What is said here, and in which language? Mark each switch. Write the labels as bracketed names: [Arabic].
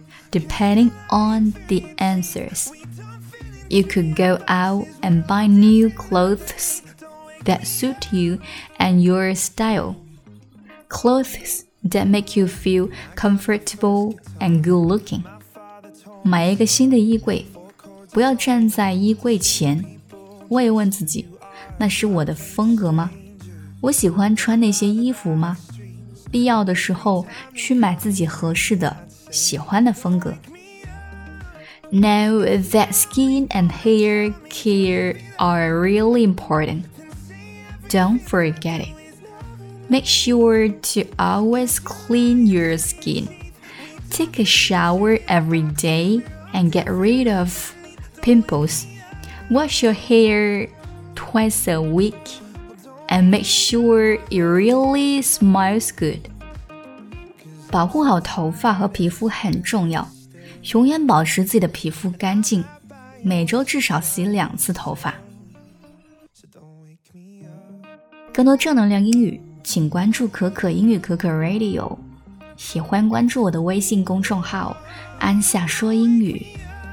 [English] Depending on the answers, you could go out and buy new clothes that suit you and your style. Clothes. That make you feel comfortable and good looking. [Chinese] 买一个新的衣柜，不要站在衣柜前，慰问自己，那是我的风格吗？我喜欢穿那些衣服吗？必要的时候去买自己合适的，喜欢的风格。 [English] Know that skin and hair care are really important. Don't forget it. Make sure to always clean your skin. Take a shower every day and get rid of pimples. Wash your hair twice a week and make sure it really smells good. [Chinese] 保护好头发和皮肤很重要，永远保持自己的皮肤干净，每周至少洗两次头发。更多正能量英语请关注可可英语可可 Radio， 喜欢关注我的微信公众号安夏说英语。